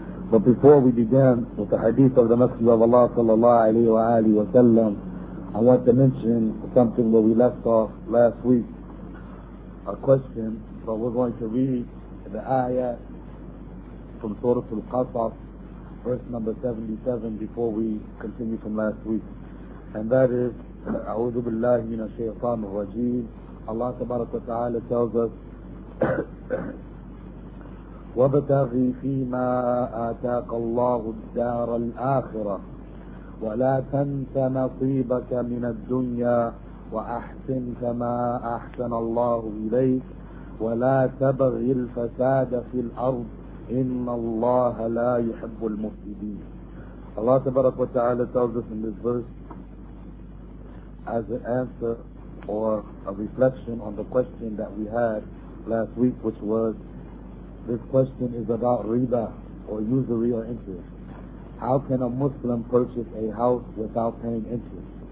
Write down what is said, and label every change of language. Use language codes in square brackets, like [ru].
[en] But before we begin with the hadith of the Messenger of Allah sallallahu alayhi wa alihi wa sallam, I want to mention something where we left off last week. A question, but we're going to read the ayah from Surah Al-Qasas, verse number 77, before we continue from last week. And that is, [ar] A'udhu billahi min ash-shaytan ar-rajim. Allah tabaraka wa ta'ala tells us, وَابْتَغِ فِيمَا آتَاكَ اللَّهُ الدَّارَ الْآخِرَةَ وَلَا تَنْسَ نَصِيبَكَ مِنَ الدُّنْيَا وَأَحْسِنْ كَمَا أَحْسَنَ اللَّهُ إِلَيْكَ وَلَا تَبْغِ الْفَسَادَ فِي الْأَرْضِ إِنَّ اللَّهَ لَا يُحِبُّ الْمُفْسِدِينَ. [en] Allah subhanahu wa ta'ala tells us in this verse as an answer or a reflection on the question that we had last week, which was, this question is about riba, or usury or interest. How can a Muslim purchase a house without paying interest?